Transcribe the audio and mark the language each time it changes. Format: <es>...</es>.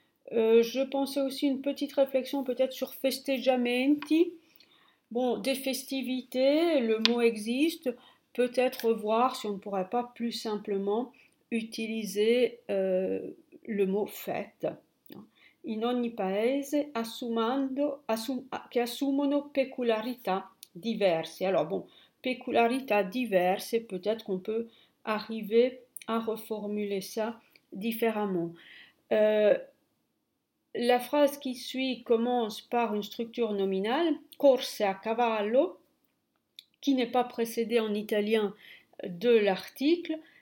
<fr>Je pensais aussi une petite réflexion peut-être sur festeggiamenti. Bon, des festivités, le mot existe. Peut-être voir si on ne pourrait pas plus simplement utiliser le mot fête.</fr> <it>In ogni paese che assumono peculiarità diverse.</it> <fr>Alors bon,</fr> <it>peculiarità diverse,</it> <fr>peut-être qu'on peut arriver à reformuler ça différemment. La phrase qui suit commence par une structure nominale,</fr> <it>corse a cavallo,</it> <fr>qui n'est pas précédée en italien de l'article.</fr>